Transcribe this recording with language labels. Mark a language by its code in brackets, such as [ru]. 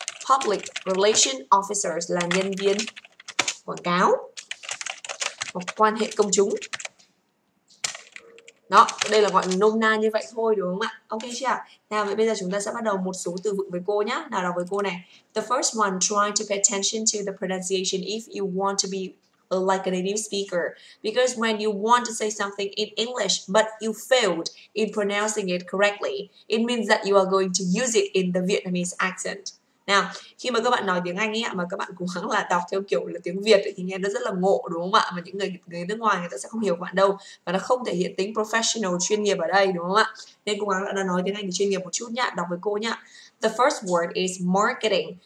[vi] Public relations officers là nhân viên quảng cáo hoặc quan hệ công chúng. Đó, đây là gọi nôm na như vậy thôi, đúng không ạ? Ok chưa? Nào, vậy bây giờ chúng ta sẽ bắt đầu một số từ vựng với cô nhé. Nào, đọc với cô này. [en] The first one, try to pay attention to the pronunciation if you want to be like a native speaker. Because when you want to say something in English but you failed in pronouncing it correctly, it means that you are going to use it in the Vietnamese accent. [vi] Nào, khi mà các bạn nói tiếng Anh ấy mà các bạn cố gắng là đọc theo kiểu là tiếng Việt thì nghe nó rất là ngộ, đúng không ạ? Mà những người nước ngoài người ta sẽ không hiểu bạn đâu, và nó không thể hiện tính professional, chuyên nghiệp ở đây, đúng không ạ? Nên cố gắng là nói tiếng Anh thì chuyên nghiệp một chút nhá, đọc với cô nhá. [en] The first word is marketing.